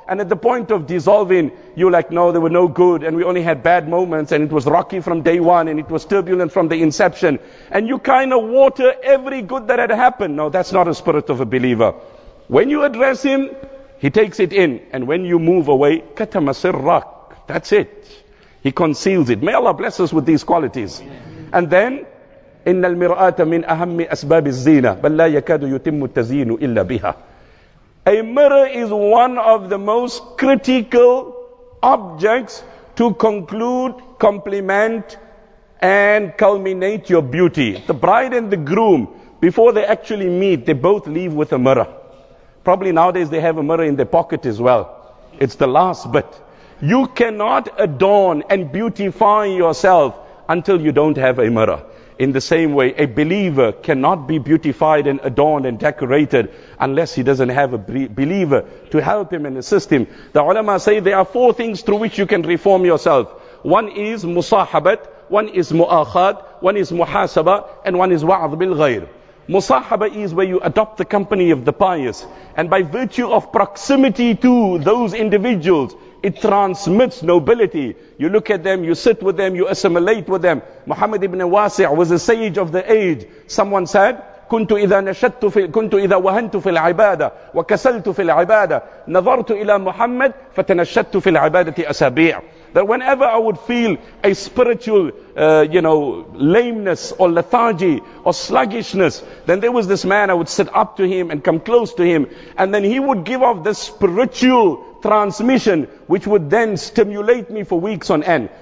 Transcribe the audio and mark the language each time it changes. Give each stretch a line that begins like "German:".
English: And at the point of dissolving, you're like, no, there were no good, and we only had bad moments, and it was rocky from day one, and it was turbulent from the inception. And you kind of water every good that had happened. No, that's not a spirit of a believer. When you address him, he takes it in. And when you move away, katamasirrak, that's it. He conceals it. May Allah bless us with these qualities. And then,
Arabic: إِنَّ الْمِرْآةَ مِنْ أَهَمِّ أَسْبَابِ الزِّينَةِ بَلْ لَا يَكَادُ يُتِمُّ التَّزِينُ إِلَّا بِهَا.
English: A mirror is one of the most critical objects to conclude, complement, and culminate your beauty. The bride and the groom, before they actually meet, they both leave with a mirror. Probably nowadays they have a mirror in their pocket as well. It's the last bit. You cannot adorn and beautify yourself until you don't have a mirror. In the same way, a believer cannot be beautified and adorned and decorated unless he doesn't have a believer to help him and assist him. The ulama say there are four things through which you can reform yourself. One is musahabat, one is mu'akhad, one is muhasaba, and one is wa'ad bil ghair. Musahaba is where you adopt the company of the pious, and by virtue of proximity to those individuals, it transmits nobility. You look at them, you sit with them, you assimilate with them. Muhammad ibn Wasi' was a sage of the age. Someone said,
Arabic: كنت إذا نشدت في كنت إذا وهنت في العبادة وكسلت في العبادة نظرت إلى محمد فتنشدت في العبادة أسابيع.
English: That whenever I would feel a spiritual, you know, lameness or lethargy or sluggishness, then there was this man, I would sit up to him and come close to him, and then he would give off this spiritual transmission which would then stimulate me for weeks on end.